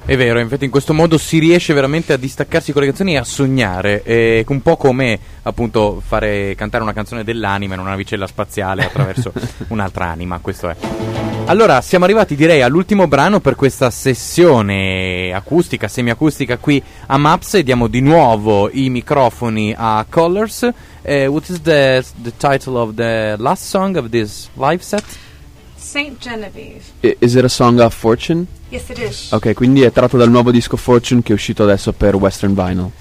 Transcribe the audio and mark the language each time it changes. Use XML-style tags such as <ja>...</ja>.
<it>È vero, infatti in questo modo si riesce veramente a distaccarsi con le canzoni e a sognare, è un po' come appunto fare cantare una canzone dell'anima in una navicella spaziale attraverso un'altra anima, questo è. Allora, siamo arrivati direi all'ultimo brano per questa sessione acustica, semiacustica qui a Maps, e diamo di nuovo i microfoni a Colors.</it> <en>What is the title of the last song of this live set? Saint Genevieve. Is it a song of Fortune? Yes, it is.</en> <it>Ok, quindi è tratto dal nuovo disco Fortune che è uscito adesso per Western Vinyl.</it>